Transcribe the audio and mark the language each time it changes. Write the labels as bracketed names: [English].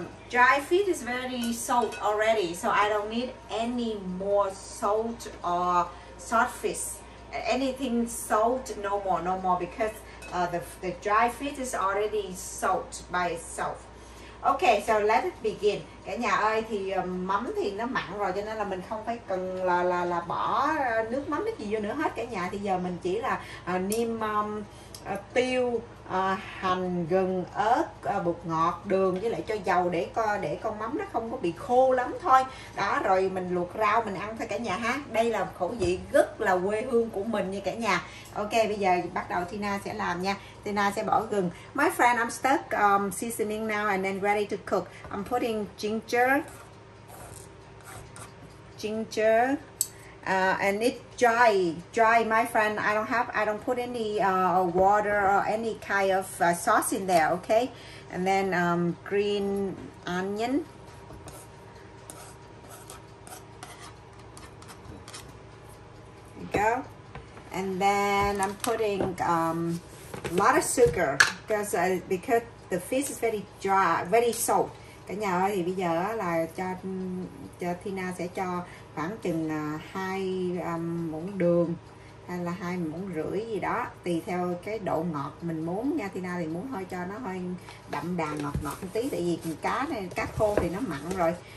[English] Dry fish is very salt already, so I don't need any more salt or swordfish. Anything salt, no more, because the dry fish is already salt by itself. Okay, so let it begin. [Vietnamese] Cả nhà ơi, thì mắm thì nó mặn rồi, cho nên là mình không phải cần là bỏ nước mắm cái gì vô nữa hết cả nhà. Thì giờ mình chỉ là nêm tiêu, hành, gừng, ớt, bột ngọt, đường với lại cho dầu để con mắm nó không có bị khô lắm thôi. Đó, rồi mình luộc rau mình ăn thôi cả nhà ha. Đây là khẩu vị rất là quê hương của mình nha cả nhà. Ok, bây giờ bắt đầu Tina sẽ làm nha. Tina sẽ bỏ gừng. [English] My friend, I'm stuck seasoning now and then ready to cook. I'm putting ginger. And it's dry, my friend. I don't put any water or any kind of sauce in there, okay? And then green onion. There you go. And then I'm putting a lot of sugar because the fish is very dry, very salt. [Vietnamese] Cả nhà ơi, thì bây giờ là cho Tina sẽ cho khoảng chừng hai muỗng đường hay là hai muỗng rưỡi gì đó, tùy theo cái độ ngọt mình muốn nha. Tina thì muốn hơi cho nó hơi đậm đà ngọt ngọt một tí, tại vì cá này, cá khô thì nó mặn rồi.